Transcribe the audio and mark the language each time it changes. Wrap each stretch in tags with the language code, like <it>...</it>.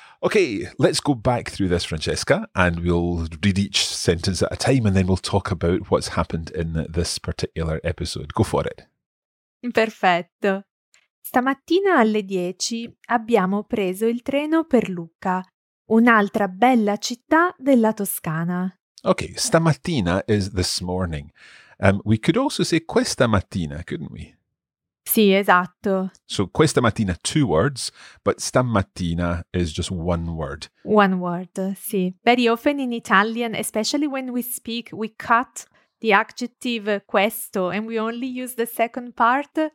<en>Okay, let's go back through this, Francesca, and we'll read each sentence at a time, and then we'll talk about what's happened in this particular episode. Go for it.</en> <it>Perfetto. Stamattina alle 10 abbiamo preso il treno per Lucca, un'altra bella città della Toscana.</it> <en>Okay, stamattina is this morning. We could also say questa mattina, couldn't we?</en> <it>Sì, esatto.</it> <en>So, questa mattina, 2 words, but stamattina is just 1 word. 1 word, sì. Very often in Italian, especially when we speak, we cut the adjective questo and we only use the second part.</en>